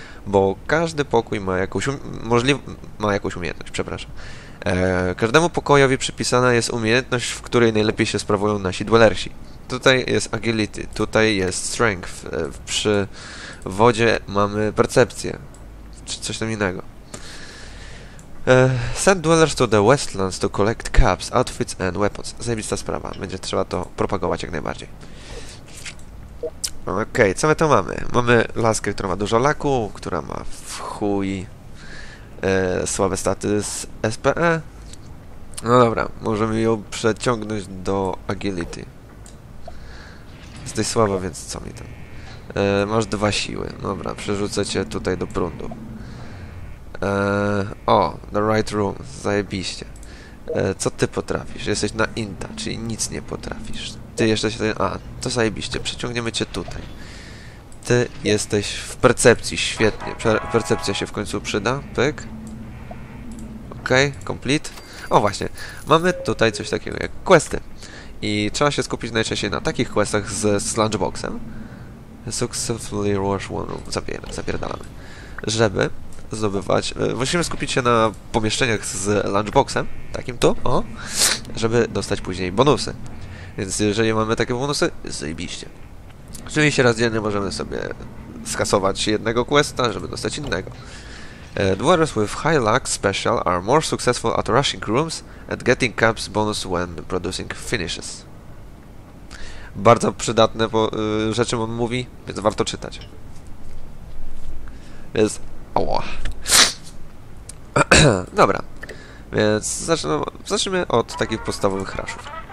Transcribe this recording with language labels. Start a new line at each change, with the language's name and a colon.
Polish: bo każdy pokój ma jakąś ma jakąś umiejętność, przepraszam. Każdemu pokojowi przypisana jest umiejętność, w której najlepiej się sprawują nasi dwellersi. Tutaj jest agility, tutaj jest strength. Przy wodzie mamy percepcję, czy coś tam innego.
English: Send dwellers to the Westlands to collect caps, outfits and weapons.
Polish: Zajebista sprawa, będzie trzeba to propagować jak najbardziej. Okej, co my tu mamy? Mamy laskę, która ma dużo laku, która ma w chuj słabe staty z SPE. No dobra, możemy ją przeciągnąć do agility. Jesteś słaba, więc co mi tam? Masz dwa siły. Dobra, przerzucę cię tutaj do prądu. O,
English: the right room,
Polish: zajebiście. Co ty potrafisz? Jesteś na inta, czyli nic nie potrafisz. Ty jeszcze się. A, to zajebiście, przeciągniemy cię tutaj. Ty jesteś w percepcji, świetnie. Percepcja się w końcu przyda. Pyk. Okej, complete. O, właśnie. Mamy tutaj coś takiego jak questy. I trzeba się skupić najczęściej na takich questach ze Sloungeboxem.
English: Successfully wash one room.
Polish: Zapierdalamy. Żeby zdobywać. Musimy skupić się na pomieszczeniach z lunchboxem, takim tu, o, żeby dostać później bonusy. Więc jeżeli mamy takie bonusy, zajebiście. Oczywiście raz dziennie możemy sobie skasować jednego questa, żeby dostać innego.
English: Dwellers with high luck special are more successful at rushing rooms and getting caps bonus when producing finishes.
Polish: Bardzo przydatne rzeczy on mówi, więc warto czytać. Więc. Dobra, więc zacznijmy od takich podstawowych raszów.